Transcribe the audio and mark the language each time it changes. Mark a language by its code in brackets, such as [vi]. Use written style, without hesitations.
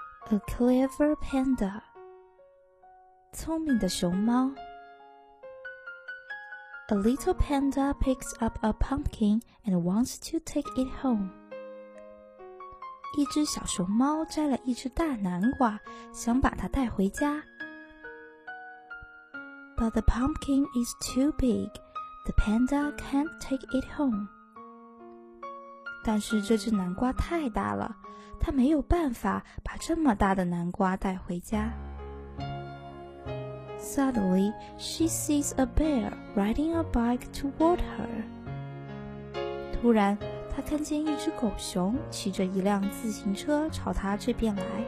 [en] A clever panda， [zh] 聪明的熊猫。 [en] A little panda picks up a pumpkin and wants to take it home。 [zh] 一只小熊猫摘了一只大南瓜，想把它带回家。 [en] But the pumpkin is too big, the panda can't take it home。 [zh] 但是这只南瓜太大了，他没有办法把这么大的南瓜带回家。 [en] Suddenly, she sees a bear riding a bike toward her. [zh] 突然，她看见一只狗熊骑着一辆自行车朝她这边来。